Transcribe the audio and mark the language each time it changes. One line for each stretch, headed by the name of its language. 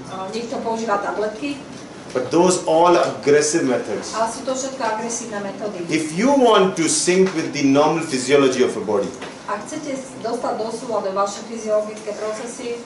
Slovak: Niekto používa tabletky.
English: But those all are aggressive methods.
Slovak: Ale sú to všetko agresívne metódy.
English: If you want to sync with the normal physiology of a body.
Slovak: Ak chcete dostať do súlade vaše fyziologické procesy.